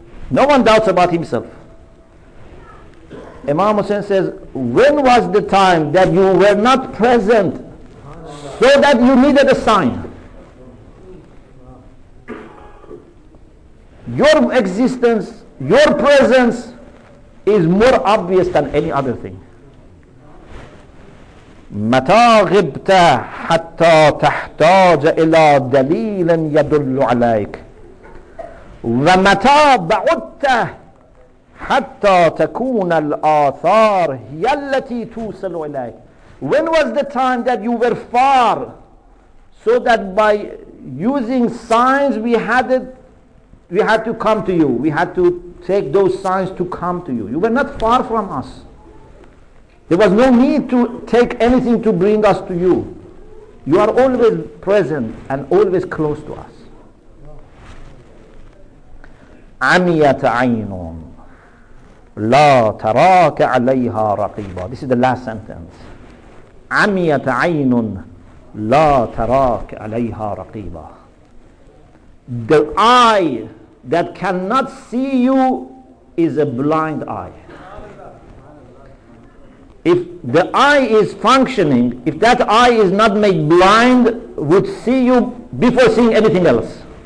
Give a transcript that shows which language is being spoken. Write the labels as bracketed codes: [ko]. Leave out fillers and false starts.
[en] No one doubts about himself. Imam Hussein says, when was the time that you were not present so that you needed a sign? Your existence, your presence is more obvious than any other thing. [ar] متى غبت حتى تحتاج إلى دليل يدل عليك ومتى بعدت حتى تكون الآثار هي التي توصل إليك. [en] When was the time that you were far so that by using signs we had to come to you, we had to take those signs to come to you? You were not far from us. There was no need to take anything to bring us to you. You are always present and always close to us. [ar] عميت عين لا تراك عليها رقيبا. [en] This is the last sentence. [ar] عميت عين لا تراك عليها رقيبا. [en] The eye that cannot see you is a blind eye. If the eye is functioning, if that eye is not made blind, would see you before seeing anything else.